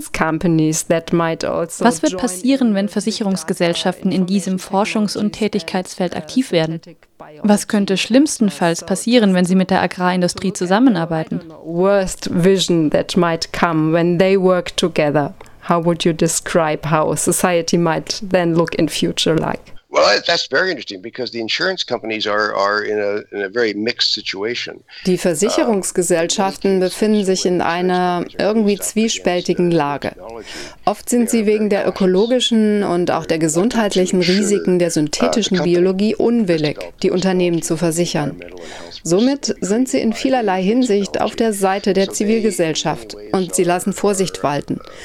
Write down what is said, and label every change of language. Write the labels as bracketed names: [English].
[German] Was wird passieren, wenn Versicherungsgesellschaften in diesem Forschungs- und Tätigkeitsfeld aktiv werden? Was könnte schlimmstenfalls passieren, wenn sie mit der Agrarindustrie zusammenarbeiten? [English] Worst vision that might come when they work together. How would you describe how society might then look in future like? Well, that's very interesting because the insurance companies are in a very mixed situation. [German] Die Versicherungsgesellschaften befinden sich in einer irgendwie zwiespältigen Lage. Oft sind sie wegen der ökologischen und auch der gesundheitlichen Risiken der synthetischen Biologie unwillig, die Unternehmen zu versichern. Somit sind sie in vielerlei Hinsicht auf der Seite der Zivilgesellschaft und sie lassen Vorsicht walten,